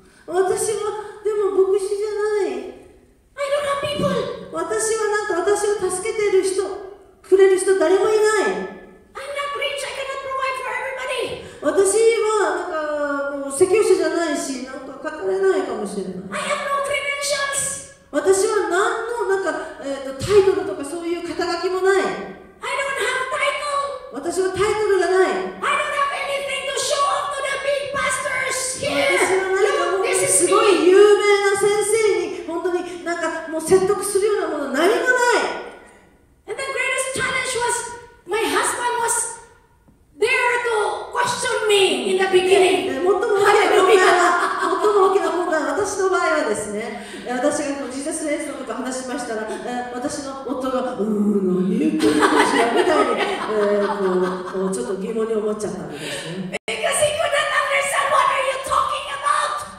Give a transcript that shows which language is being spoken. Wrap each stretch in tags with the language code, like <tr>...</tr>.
<ja>私は、でも牧師じゃない。</ja> <en>I don't have people.</en> <ja>私はなんか私を助けてる人、くれる人誰もいない。</ja> <en>I'm not rich. I cannot provide for everybody.</en> <ja>私はなんか、もう説教者じゃないし、なんか語れないかもしれない。</ja> <en>I have no credentials.</en> <ja>私は何のなんか、タイトルとかそういう肩書きもない。</ja> <en>I don't have title.</en> <ja>私はタイトルがない。</ja> <en>I don't have anything to show off to the big pastors here.</en> <ja>私は何かもうすごい有名な先生に本当になんかもう説得するようなもの何もない。</ja> <en>And the greatest challenge was my husband was there to question me in the beginning.</en> <ja>最も大きな問題は最も大きな問題は私の場合はですね、私がジーザスレンズのことを話しましたら、私の夫が、何言ってるかしらみたいに、ちょっと疑問に思っちゃったんですね。</ja> <en>Because he couldn't understand what are you talking about?</en>